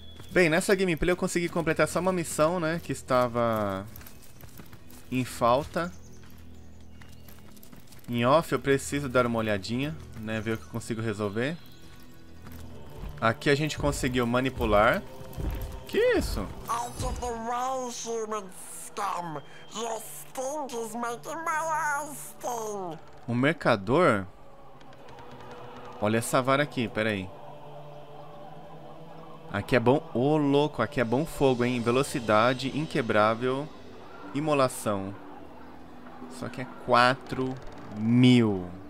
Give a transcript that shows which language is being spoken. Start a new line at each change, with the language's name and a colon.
Portuguese: Bem, nessa gameplay eu consegui completar só uma missão, né? Que estava em falta. Em off, eu preciso dar uma olhadinha, né, ver o que consigo resolver. Aqui a gente conseguiu manipular. Que isso?
English: Out of the way, human scum. Your stink is making my eyes sting.
Portuguese: Um mercador? Olha essa vara aqui, peraí. Aqui é bom... Ô, louco, aqui é bom fogo, hein? Velocidade, inquebrável, imolação. Só que é 4... Mil.